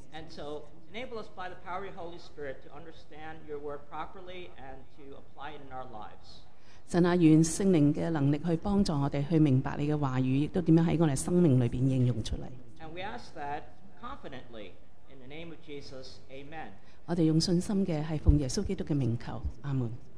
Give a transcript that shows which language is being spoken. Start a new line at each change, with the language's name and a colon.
English: And so,Enable us by the power of your Holy Spirit to understand your word properly and to apply it in our lives.
Chinese: 神啊，愿圣灵的能力去帮助我们去明白你的话语，也都怎样在我们生命里面应用出来。
English: And we ask that confidently in the name of Jesus, Amen.
Chinese: 我们用信心的是奉耶稣基督的名求，阿们。